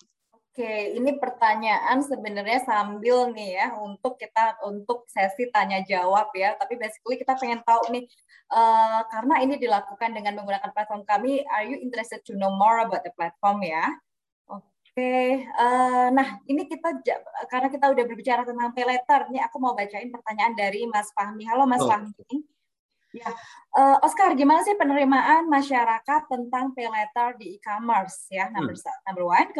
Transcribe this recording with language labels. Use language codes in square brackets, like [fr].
[id] Oke, ini pertanyaan sebenarnya sambil nih ya untuk sesi tanya jawab ya. Tapi basically kita pengen tahu nih karena ini dilakukan dengan menggunakan platform kami. [en] Are you interested to know more about the platform ya? [id] Oke, nah ini karena kita udah berbicara tentang pay later, ini aku mau bacain pertanyaan dari Mas Fahmi. Halo Mas Fahmi. Ya, Oscar, gimana sih penerimaan masyarakat tentang pay later di e-commerce ya, [en] number one.